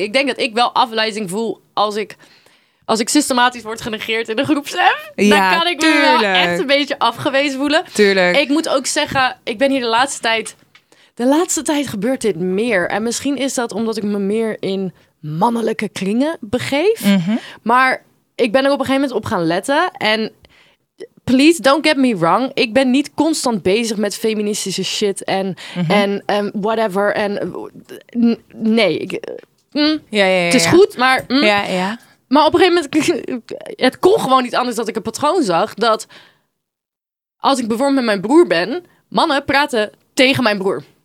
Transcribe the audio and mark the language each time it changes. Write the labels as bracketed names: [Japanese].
[Dutch] Ik denk dat ik wel afwijzing voel als ik... Als ik systematisch word genegeerd in de groepsapp, ja, dan kan ik tuurlijk. Me wel echt een beetje afgewezen voelen. Tuurlijk. Ik moet ook zeggen, ik ben hier de laatste tijd gebeurt dit meer. En misschien is dat omdat ik me meer in mannelijke kringen begeef. Mm-hmm. Maar ik ben er op een gegeven moment op gaan letten. [English] En please, don't get me wrong. [Dutch] Ik ben niet constant bezig met feministische shit en, mm-hmm. en whatever. En nee. Het is goed, maar... Ja. Maar op een gegeven moment, het kon gewoon niet anders dat ik een patroon zag. Dat als ik bijvoorbeeld met mijn broer ben, mannen praten tegen mijn broer.